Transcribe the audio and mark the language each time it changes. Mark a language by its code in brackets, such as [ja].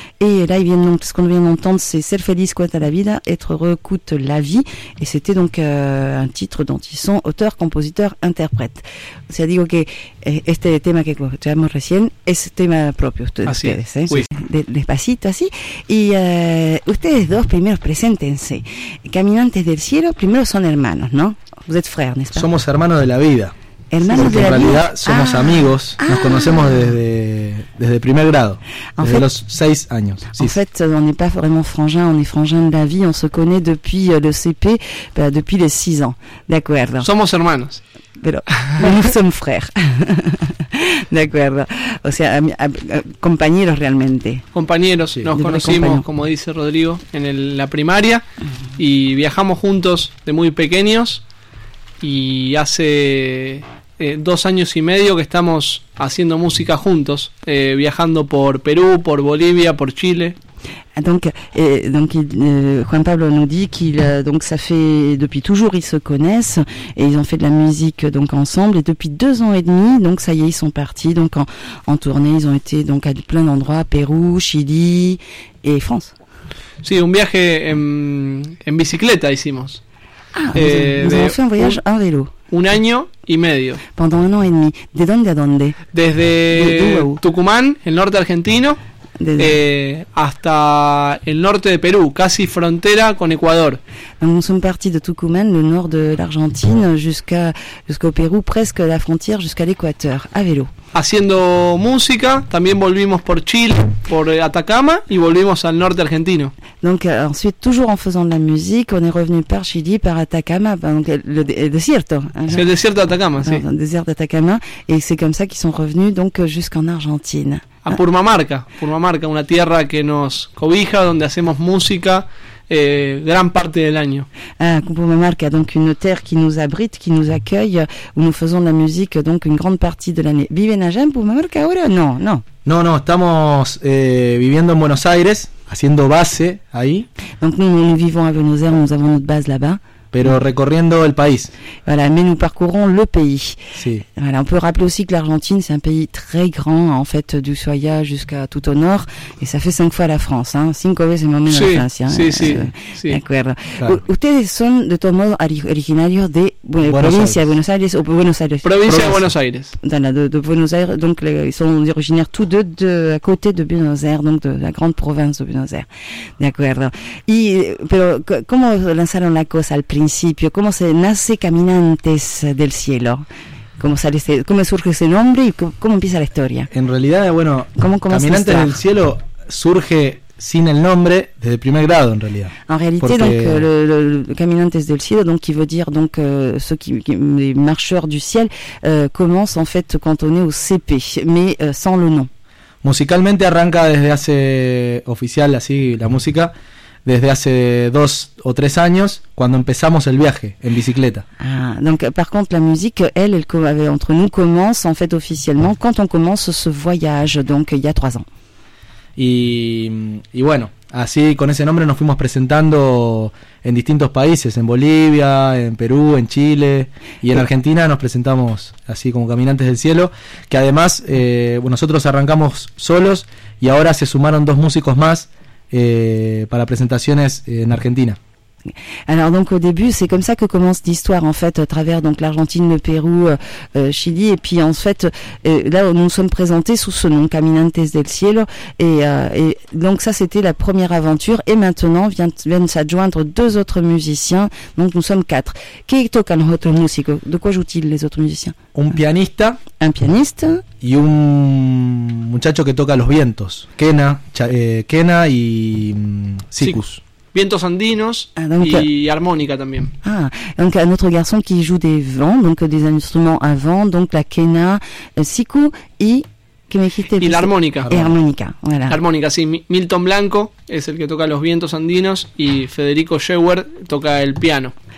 [fr] Et là, ils viennent donc, ce qu'on vient d'entendre, c'est Ser feliz cuesta la vida, être heureux coûte la vie. Et c'était donc un titre dont ils sont auteurs, compositeurs, interprètes. C'est-à-dire que [es] este tema que escuchamos recién es tema propio de ustedes. Así es. Oui. Despacito, así. Y ustedes dos, primero, preséntense. Caminantes del Cielo, primero son hermanos, ¿no? [fr] Vous êtes frères, n'est-ce pas? [es] Somos hermanos de la vida. Hermanos de la vida. Somos amigos, nos conocemos desde primer grado, desde los 6 años. [fr] En fait, on n'est pas vraiment frangins, on est frangins de la vie, on se connaît depuis le CP, depuis les 6 ans. D'accord. [es] Somos hermanos. [fr] Pero, nous sommes frères. D'accord. [es] O sea, compañeros realmente. Compañeros, sí. Nos conocimos, como dice Rodrigo, en la primaria y viajamos juntos de muy pequeños. Y hace 2 años y medio que estamos haciendo música juntos, viajando por Perú, por Bolivia, por Chile. [fr] Juan Pablo nous dit qu'il donc ça fait depuis toujours ils se connaissent et ils ont fait de la musique donc ensemble et depuis 2 ans et demi donc ça y est ils sont partis donc en tournée ils ont été donc à plein d'endroits, Pérou, Chili et France. [es] Sí, un viaje en bicicleta hicimos. [fr] Nous avons fait un voyage en vélo. [es] Un año y medio. [fr] Pendant 1 an et demi. [es] De dónde a dónde? Desde Tucumán, el norte argentino, hasta el norte de Perú, casi frontera con Ecuador. [fr] Donc nous sommes partis de Tucumán, le nord de l'Argentine, jusqu'au Pérou, presque la frontière, jusqu'à l'Équateur, à vélo. [es] Haciendo música, también volvimos por Chile, por Atacama, y volvimos al norte argentino. [fr] Donc ensuite, toujours en faisant de la musique, on est revenu par Chili, par Atacama, donc le desierto. C'est le desierto de Atacama, sí. Le désert d'Atacama, et c'est comme ça qu'ils sont revenus donc jusqu'en Argentine. [es] A Purmamarca, una tierra que nos cobija, donde hacemos música gran parte del año. [fr] Ah, Purmamarca, donc une terre qui nous abrite, qui nous accueille, où nous faisons de la musique donc une grande partie de l'année. [es] ¿Viven allá en Purmamarca ahora? No, estamos viviendo en Buenos Aires, haciendo base ahí. [fr] Donc nous vivons à Buenos Aires, nous avons notre base là-bas. [es] Pero recorriendo el país. [fr] Voilà, mais nous parcourons le pays. [es] Sí. [fr] Voilà, on peut rappeler aussi que l'Argentine, c'est un pays très grand, en fait, du Ushuaia jusqu'à tout au nord, et ça fait 5 fois la France, hein. [es] 5 veces más o menos la Francia. Sí, sí. [fr] D'accord. [es] Claro. Ustedes son, de todo modo, originarios de provincia de Buenos Aires, [fr] de Buenos Aires, donc ils sont originaires tous deux de à côté de Buenos Aires, donc de la grande province de Buenos Aires. D'accord. [es] Pero, ¿cómo lanzaron la cosa al principio? ¿Cómo se nace Caminantes del Cielo? ¿Cómo surge ese nombre y cómo empieza la historia? En realidad, bueno, ¿Cómo Caminantes del Cielo surge sin el nombre desde primer grado, en realidad. [fr] En realidad, Caminantes del Cielo, donc, qui veut dire, donc, ceux qui, les marcheurs du ciel, commence en fait quand on est au CP, mais sans le nom. [es] Musicalmente arranca desde hace oficial, así, la música. Desde hace 2 o 3 años, cuando empezamos el viaje en bicicleta. [fr] Ah, donc par contre la musique, elle entre nous commence en fait officiellement quand on commence ce voyage, donc il y a 3 ans. [es] Y bueno, así con ese nombre nos fuimos presentando en distintos países, en Bolivia, en Perú, en Chile y en Argentina nos presentamos así como Caminantes del Cielo, que además nosotros arrancamos solos y ahora se sumaron 2 músicos más. Para presentaciones en Argentina. [fr] Alors donc au début c'est comme ça que commence l'histoire en fait à travers donc l'Argentine, le Pérou, Chili et puis en fait là nous nous sommes présentés sous ce nom Caminantes del Cielo et donc ça c'était la première aventure et maintenant viennent s'adjoindre 2 autres musiciens donc nous sommes 4. [es] ¿Qué tocan los otros músicos? [fr] ¿De quoi jouent-ils les autres musiciens? [es] Un pianista y un muchacho que toca los vientos, Kena y Sikus. Vientos andinos y armónica también. [fr] Ah, donc un autre garçon qui joue des vents, donc des instruments à vent, donc la quena, siku y [es] que me dijiste. Y la armónica. Y armónica, voilà. Armónica, sí. Milton Blanco es el que toca los vientos andinos y Federico Schewer toca el piano.